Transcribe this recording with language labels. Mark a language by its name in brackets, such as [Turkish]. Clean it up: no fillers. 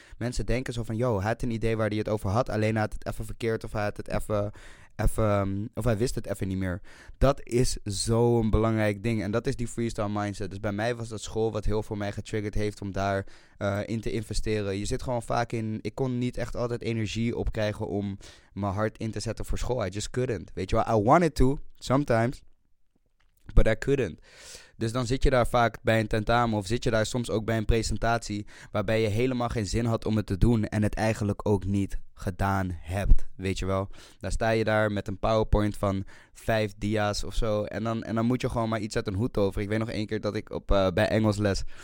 [Dutch] Mensen denken zo van, yo, hij had een idee waar hij het over had, alleen hij had het even verkeerd of hij had het even, of hij wist het even niet meer. Dat is zo'n belangrijk ding. En dat is die freestyle mindset. Dus bij mij was dat school wat heel voor mij getriggerd heeft om daar in te investeren. Je zit gewoon vaak in, ik kon niet echt altijd energie opkrijgen om mijn hart in te zetten voor school. [English] I just couldn't. [Dutch] Weet je wel, [English] I wanted to, sometimes, but I couldn't. [Dutch] Dus dan zit je daar vaak bij een tentamen of zit je daar soms ook bij een presentatie waarbij je helemaal geen zin had om het te doen en het eigenlijk ook niet gedaan hebt, weet je wel. Dan sta je daar met een PowerPoint van 5 dia's of zo en dan moet je gewoon maar iets uit een hoed over. Ik weet nog één keer dat ik bij Engelsles,